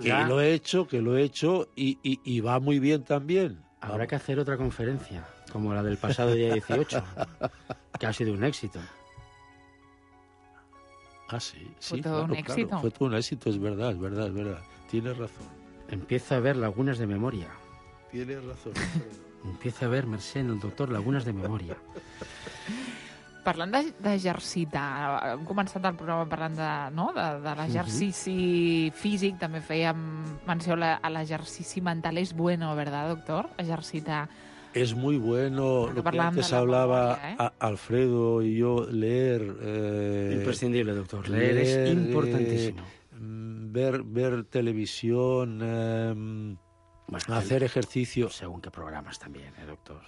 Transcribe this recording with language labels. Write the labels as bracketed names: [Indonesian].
[Spanish] Pero que lo he hecho y va muy bien también. Habrá que hacer otra conferencia, como la del pasado día 18, que ha sido un éxito. Ah, sí. Fue todo un éxito. Fue todo un éxito, es verdad. Tienes razón. Empiezo a ver lagunas de memoria. Tienes razón. Empieza a ver, Mercè, en el doctor, lagunes de memòria. [Catalan] Parlant d'exercitar, hem començat el programa parlant de l'exercici físic, també fèiem menció a l'exercici mental. [Spanish] És bueno, ¿verdad, doctor? Exercitar. És muy bueno. Lo que antes hablaba Alfredo y yo, leer... Imprescindible, doctor. Leer es importantísimo. Ver televisión... Bueno, hacer ejercicio... Según qué programas también, doctor.